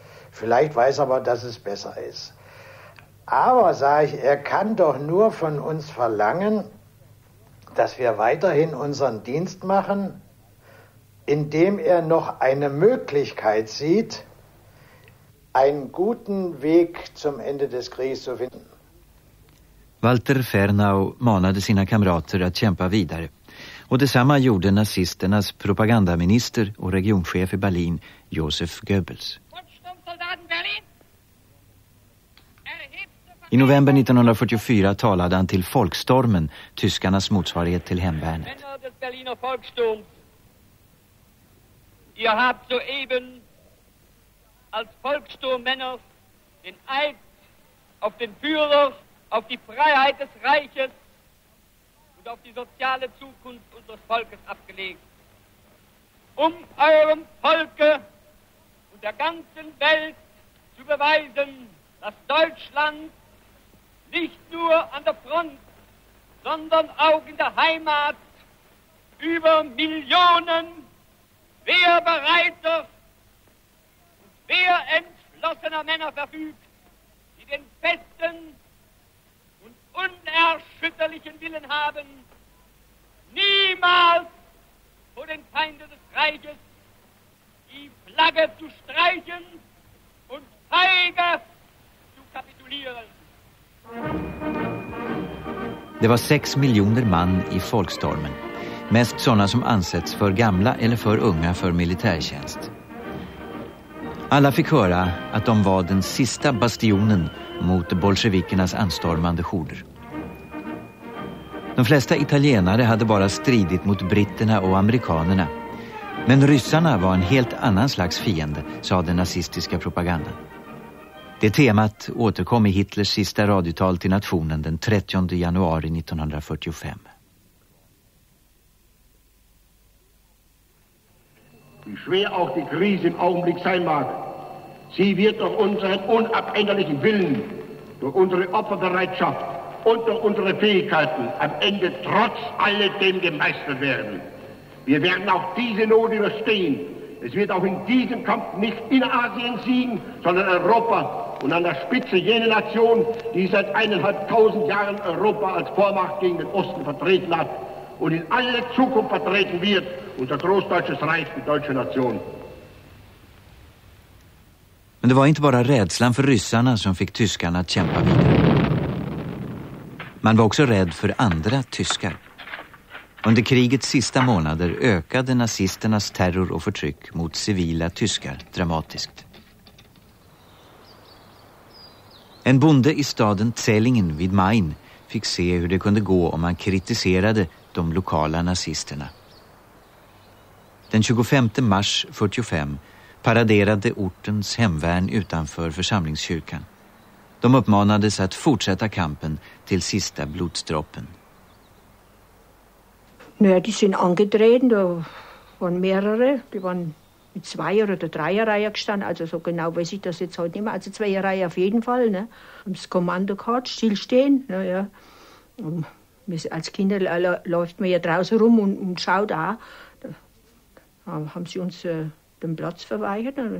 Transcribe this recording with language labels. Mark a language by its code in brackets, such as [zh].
[de] Vielleicht weiß er aber, dass es besser ist. Aber, sage ich, er kann doch nur von uns verlangen, dass wir weiterhin unseren Dienst machen, indem er noch eine Möglichkeit sieht, einen guten Weg zum Ende des Krieges zu finden. [sv] Walter Fernau mahnte seine Kamraten, att kämpa vidare. Och detsamma gjorde nazisternas propagandaminister och regionchef i Berlin, Josef Goebbels. I november 1944 talade han till folkstormen, tyskarnas motsvarighet till hemvärnet. [de] Ihr habt soeben als Volkssturmmänner den Eid auf den Führer, auf die Freiheit des Reiches und auf die soziale Zukunft unseres Volkes abgelegt. Um eurem Volke und der ganzen Welt zu beweisen, dass Deutschland nicht nur an der Front, sondern auch in der Heimat über Millionen wehrbereiter und wehrentschlossener Männer verfügt, die den festen und unerschütterlichen Willen haben, niemals vor den Feinden des Reiches die Flagge zu streichen und feige zu kapitulieren. [sv] Det var 6 miljoner man i folkstormen. Mest sådana som ansetts för gamla eller för unga för militärtjänst. Alla fick höra att de var den sista bastionen mot bolsjevikernas anstormande horder. De flesta italienare hade bara stridit mot britterna och amerikanerna. Men ryssarna var en helt annan slags fiende, sa den nazistiska propagandan. Det temat återkom i Hitlers sista radiotal till nationen den 30 januari 1945. [de] Wie schwer auch die Krise im Augenblick sein mag, sie wird durch unseren unabänderlichen Willen, durch unsere Opferbereitschaft und durch unsere Fähigkeiten am Ende trotz alledem gemeistert werden. Wir werden auch diese Not überstehen. Es wird auch in diesem Kampf nicht in Asien siegen, sondern Europa und an der Spitze jene Nation, die seit 1500 Jahren Europa als Vormacht gegen den Osten vertreten hat und in alle Zukunft vertreten wird. Unser großdeutsches Reich, die deutsche Nation. [sv] Men det var inte bara rädslan för ryssarna som fick tyskarna att kämpa vidare. Man var också rädd för andra tyskar. Under krigets sista månader ökade nazisternas terror och förtryck mot civila tyskar dramatiskt. En bonde i staden Zellingen vid Main fick se hur det kunde gå om man kritiserade de lokala nazisterna. Den 25 mars 45 paraderade ortens hemvärn utanför församlingskyrkan. De uppmanades att fortsätta kampen till sista blodsdroppen. Nu är de sin angetreden, det var mer, det var [de] in Zweier- oder Dreierreihe gestanden, also so genau weiß ich das jetzt heute nicht mehr, also Zweierreihe auf jeden Fall, ne? Und das Kommando gehabt, stillstehen, naja. Als Kinder läuft man ja draußen rum und schaut auch. Da haben sie uns den Platz verweigert.